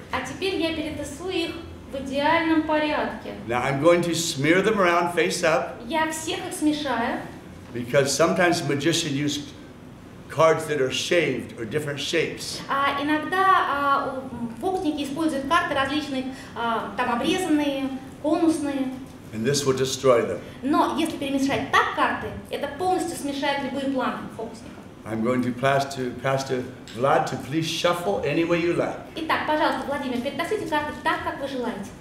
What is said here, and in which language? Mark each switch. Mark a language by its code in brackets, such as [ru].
[ru] А теперь я перетасую их в идеальном порядке. [en] Now I'm going to smear them around face up. [ru] Я всех их смешаю. [en] Because sometimes magicians use cards that are shaved or different shapes. [ru] Иногда фокусники используют карты различных, там обрезанные, конусные. [en] And this will destroy them. [ru] Но если перемешать так карты, это полностью смешает любые планы фокусника. [en] I'm going to pass to Pastor Vlad to please shuffle any way you like. [ru] Итак, пожалуйста, Владимир, перетасуйте карты так, как вы желаете.